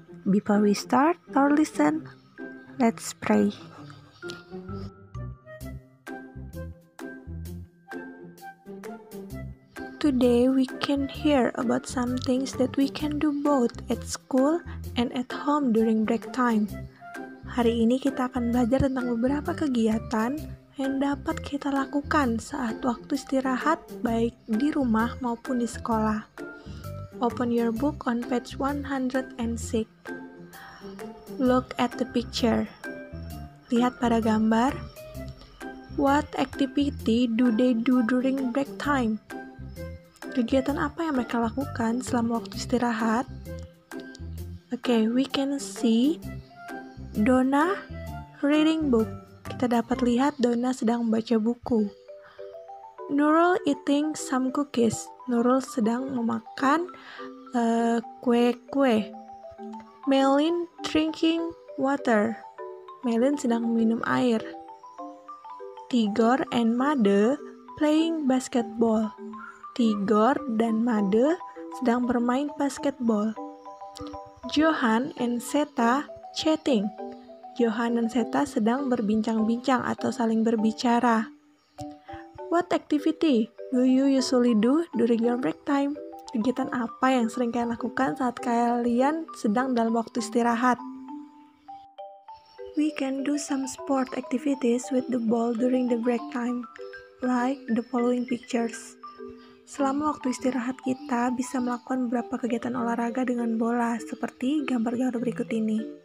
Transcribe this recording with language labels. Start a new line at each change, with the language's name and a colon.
English: Before we start our lesson, let's pray. Today we can hear about some things that we can do both at school and at home during break time.
Indonesian: Hari ini kita akan belajar tentang beberapa kegiatan yang dapat kita lakukan saat waktu istirahat baik di rumah maupun di sekolah.
English: Open your book on page 106. Look at the picture.
Indonesian: Lihat pada gambar.
English: What activity do they do during break time?
Indonesian: Kegiatan apa yang mereka lakukan selama waktu istirahat?
English: Okay, we can see Donna reading book.
Indonesian: Kita dapat lihat Donna sedang membaca buku. Nurul
English: eating some cookies.
Indonesian: Nurul sedang memakan kue-kue. Melin
English: drinking water.
Indonesian: Melin sedang minum air.
English: Tigor and Made playing basketball.
Indonesian: Tigor dan Made sedang bermain basketball.
English: Johan and Seta chatting.
Indonesian: Johan dan Seta sedang berbincang-bincang atau saling berbicara.
English: What activity do you usually do during your break time?
Indonesian: Kegiatan apa yang sering kalian lakukan saat kalian sedang dalam waktu istirahat?
English: We can do some sport activities with the ball during the break time, like the following pictures.
Indonesian: Selama waktu istirahat kita bisa melakukan beberapa kegiatan olahraga dengan bola, seperti gambar-gambar berikut ini.